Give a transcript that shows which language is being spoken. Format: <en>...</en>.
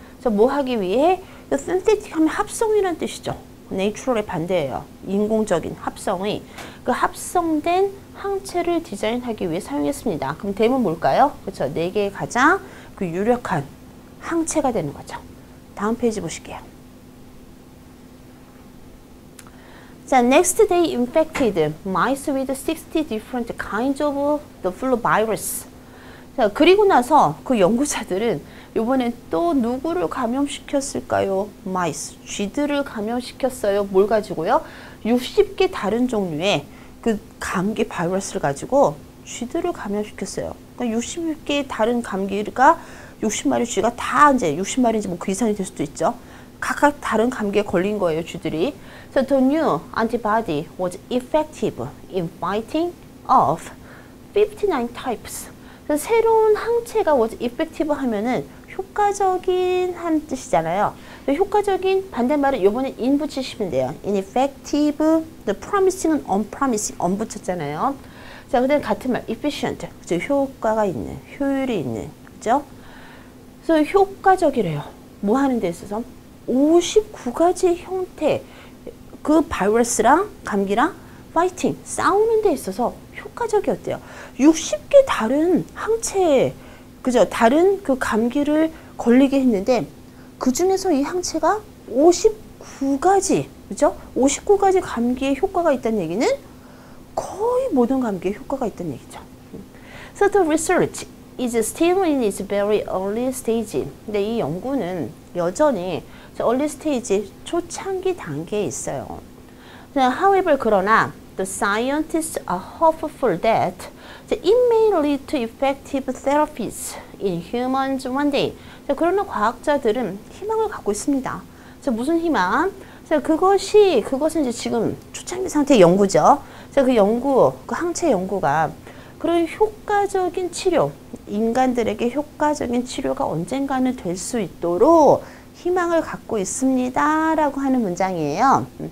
<ko>그래서 뭐 하기 위해? synthetic 하면 합성이라는 뜻이죠. natural의 반대예요. 인공적인 합성의. 그 합성된 항체를 디자인하기 위해 사용했습니다. 그럼 됨은 뭘까요? 그렇죠. 네 개의 가장 그 유력한 항체가 되는 거죠. 다음 페이지 보실게요.</ko> <en>자, next they infected mice with 60 different kinds of the flu virus.</en> <ko>자, 그리고 나서 그 연구자들은 이번에 또 누구를 감염시켰을까요? 마이스, 쥐들을 감염시켰어요. 뭘 가지고요? 60개 다른 종류의 그 감기 바이러스를 가지고 쥐들을 감염시켰어요. 그러니까 60개 다른 감기가 60마리 쥐가 다 이제 60마리인지 뭐그 이상이 될 수도 있죠. 각각 다른 감기에 걸린 거예요, 쥐들이.</ko> <en>So the new antibody was effective in fighting off 59 types.</en> <ko>새로운 항체가</ko> <en>was effective</en> <ko>하면은 효과적인 한 뜻이잖아요. 효과적인 반대말은 요번에 in 붙이시면 돼요. ineffective, the promising은 unpromising, un 붙였잖아요. 자, 근데 같은 말, efficient, 그죠? 효과가 있는, 효율이 있는, 그죠? 그래서 효과적이래요. 뭐 하는 데 있어서? 59가지 형태, 그 바이러스랑 감기랑 파이팅, 싸우는 데 있어서 효과적이었대요. 60개 다른 항체에, 그죠? 다른 그 감기를 걸리게 했는데, 그중에서 이 항체가 59가지, 그죠? 59가지 감기에 효과가 있다는 얘기는 거의 모든 감기에 효과가 있다는 얘기죠.</ko> <en>So the research is still in its very early stage.</en> <ko>근데 이 연구는 여전히 early stage, 초창기 단계에 있어요.</ko> <en>However,</en> <ko>그러나,</ko> <en>The scientists are hopeful that it may lead to effective therapies in humans one day.</en> <ko>그러나 과학자들은 희망을 갖고 있습니다. 무슨 희망? 그것은 이제 지금 초창기 상태의 연구죠. 그 연구, 그 항체 연구가 그런 효과적인 치료, 인간들에게 효과적인 치료가 언젠가는 될수 있도록 희망을 갖고 있습니다라고 하는 문장이에요.</ko>